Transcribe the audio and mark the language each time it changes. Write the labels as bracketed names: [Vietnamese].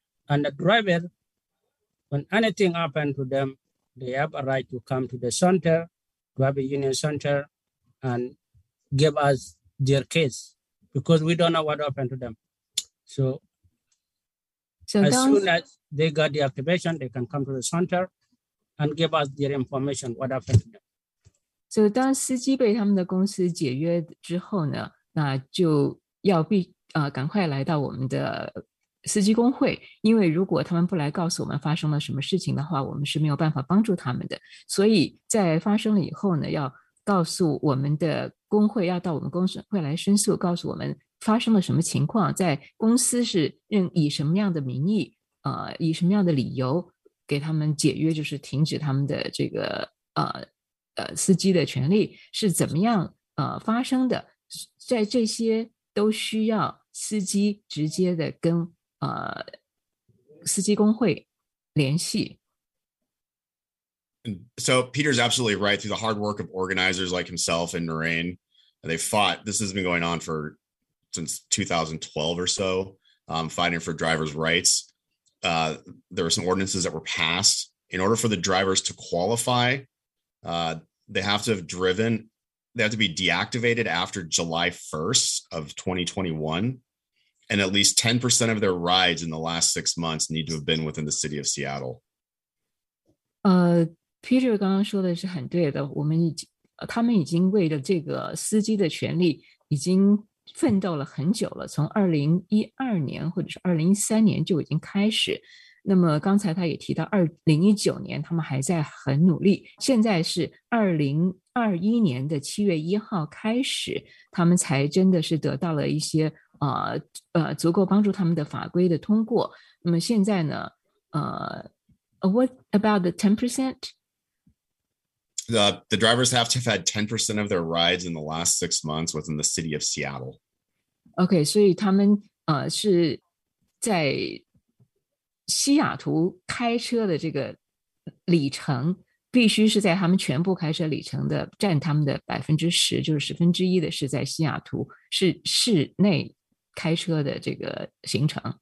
[English] And the driver, when anything happened to them, they have a right to come to the center, driver union center, and give us their case, because we don't know what happened to them. So as soon as they got the activation, they can come to the center and give us their information, what happened to them. [Chinese] So 当司机被他们的公司解约之后呢，那就要赶快来到我们的司机工会，因为如果他们不来告诉我们发生了什么事情的话，我们是没有办法帮助他们的。所以在发生了以后呢，要告诉我们的工会，要到我们公司会来申诉，告诉我们发生了什么情况，在公司是以什么样的名义，以什么样的理由给他们解约，就是停止他们的这个司机的权利是怎么样发生的，在这些都需要司机直接的跟司机工会联系。 [English] So Peter's absolutely right. Through the hard work of organizers like himself and Noreen, they fought. This has been going on since 2012 or so, fighting for drivers' rights. There were some ordinances that were passed. In order for the drivers to qualify, they have to be deactivated after July 1st of 2021. And at least 10% of their rides in the last 6 months need to have been within the city of Seattle. [Chinese] Peter 刚刚说的是很对的，他们已经为了这个司机的权利已经奋斗了很久了，从2012年或者是2013年就已经开始。那么刚才他也提到2019年他们还在很努力，现在是2021年的7月1号开始，他们才真的是得到了一些足够帮助他们的法规的通过。那么现在呢 [English] what about the 10%? The drivers have to have had 10% of their rides in the last 6 months within the city of Seattle. [Chinese] Okay, 所以他们是在西雅图开车的这个里程必须是在他们全部开车里程的占他们的 10%, 就是十分之一的是在西雅图是市内开车的这个行程。